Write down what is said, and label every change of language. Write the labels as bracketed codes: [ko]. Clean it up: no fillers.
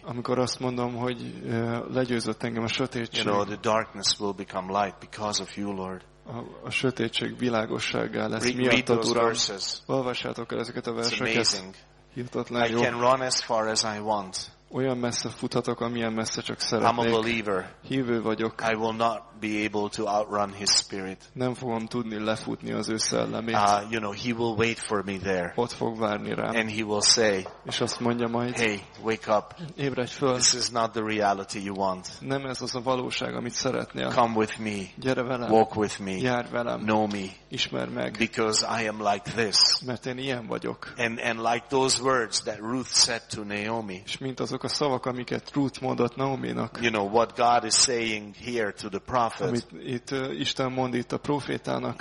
[hu] Amikor azt mondom, hogy legyőzött engem a sötétség. [en] You know, the darkness will become light because of you, Lord. [hu] A sötétség világossággá lesz miattad, Uram. Olvassátok el ezeket a verseket. [en] It's amazing. [hu] Hihetetlen jó. [en] I can run as far as I want. [hu] Olyan messze futhatok, amilyen messze csak szeretnék. [en] I'm a believer. [hu] Hívő vagyok. [en] I will not be able to outrun his spirit. [hu] Nem fogom tudni lefutni az ő szellemét. [en] You know, he will wait for me there. [hu] Ott fog várni rám. [en] And he will say, [hu] és azt mondja majd, [en] hey, wake up. [hu] Ébredj föl. [en] This is not the reality you want. [hu] Nem ez az a valóság, amit szeretnél. [en] Come with me. [hu] Gyere velem. [en] Walk with me. [hu] Járj velem. [en] Know me. [hu] Ismer meg. [en] Because I am like this. [hu] Mert én ilyen vagyok. [en] And like those words that Ruth said to Naomi. [hu] És mint azok a szavak, amiket Ruth mondott Naomi-nak. [en] You know what God is saying here to the prophet. [hu] Amit itt Isten mond itt a prófétának.